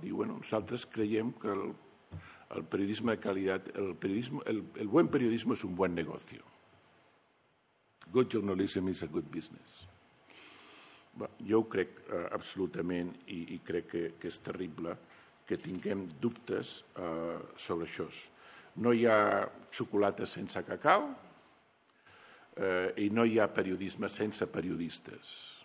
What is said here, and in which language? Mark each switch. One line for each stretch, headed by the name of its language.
Catalan: Diu, bueno, nosaltres creiem que el periodisme de calidad,
Spanish: el buen periodismo es un buen negocio.
English: Good journalism is a good business.
Catalan: Bueno, jo ho crec absolutament, i crec que és terrible que tinguem dubtes sobre això. No hi ha xocolata sense cacau i no hi ha periodisme sense periodistes.